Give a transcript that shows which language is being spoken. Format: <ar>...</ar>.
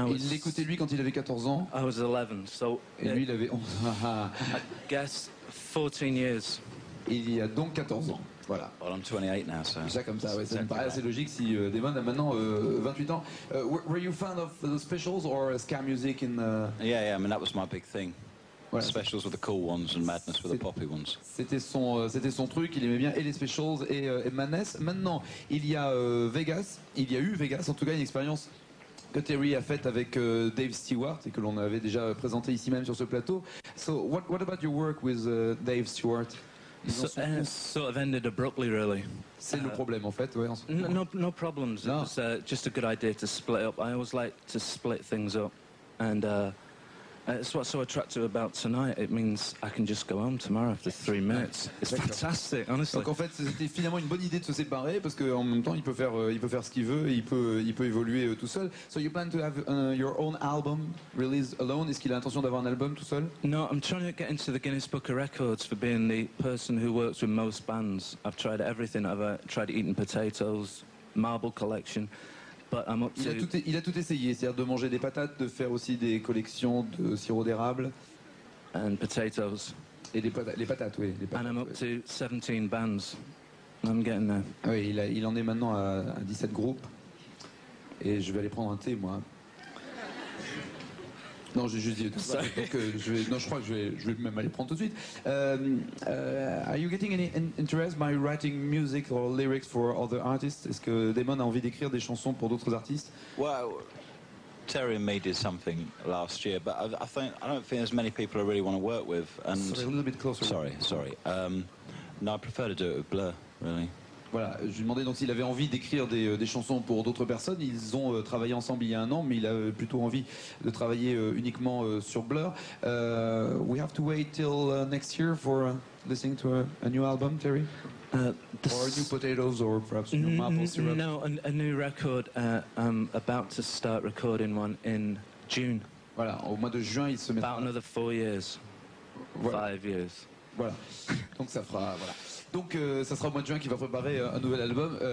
<en>I was,</en> <fr>il l'écoutait, lui, quand il avait 14 ans.</fr> <en>I was 11, so...</en> <fr>Et lui, il avait 11.</fr> <en>I guess 14 years.</en> <fr>Il y a donc 14 ans, voilà.</fr> <en>Well, I'm 28 now, so...</en> <fr>C'est ça, comme ça, ouais, c'est pareil, assez logique si Damon a maintenant 28 ans.</fr> <en>Were you a fan of the Specials or ska music in the... Yeah, yeah, I mean, that was my big thing. Voilà. Specials were the cool ones and Madness were the poppy ones.</en> <fr>C'était son truc, il aimait bien et les Specials et Madness. Maintenant, il y a Vegas, il y a eu Vegas, en tout cas une expérience que Terry a faite avec Dave Stewart et que l'on avait déjà présenté ici même sur ce plateau.</fr> <en>So, what about your work with Dave Stewart? Sort of ended abruptly, really. C'est le problème, en fait, ouais. No problems, no. It was just a good idea to split up. I always like to split things up and... it's what's so attractive about tonight. It means I can just go home tomorrow after 3 minutes. It's fantastic, honestly.</en> <fr>Donc en fait, c'était finalement une bonne idée de se séparer parce que en même temps, il peut faire ce qu'il veut, il peut évoluer tout seul.</fr> <en>So you plan to have your own album released alone?</en> <fr>Est-ce qu'il a l'intention d'avoir un album tout seul?</fr> <en>No, I'm trying to get into the Guinness Book of Records for being the person who works with most bands. I've tried everything. I've tried eating potatoes, Marble Collection. But I'm up to...</en> <fr>Il a tout essayé, c'est-à-dire de manger des patates, de faire aussi des collections de sirop d'érable.</fr> <en>And potatoes.</en> <fr>Et les patates, oui. Les patates,</fr> <en>and I'm up</en> <fr>oui.</fr> <en>to 17 bands. I'm getting there.</en> <fr>Oui, il en est maintenant à 17 groupes. Et je vais aller prendre un thé, moi. Non, j'ai juste dit tout ça. Donc, je crois que je vais même aller prendre tout de suite.</fr> <en>Are you getting any interest by writing music or lyrics for other artists?</en> <fr>Est-ce que Damon a envie d'écrire des chansons pour d'autres artistes?</fr> <en>Well, Terry and me did something last year, but I don't think there's many people I really want to work with. And sorry, a little bit closer. Sorry. No, I prefer to do it with Blur, really.</en> <fr>Voilà, je lui demandais donc s'il avait envie d'écrire des chansons pour d'autres personnes. Ils ont travaillé ensemble il y a un an, mais il a plutôt envie de travailler uniquement sur Blur.</fr> <en>We have to wait till next year for listening to a new album, Terry? Or new potatoes, or perhaps new maple syrup? No, a new record. I'm about to start recording one in June.</en> <fr>Voilà, au mois de juin, il se met...</fr> <en>About another 4 years. Voilà. 5 years.</en> <fr>Voilà, donc ça fera... Voilà. Donc, ça sera au mois de juin qu'il va préparer un nouvel album.</fr>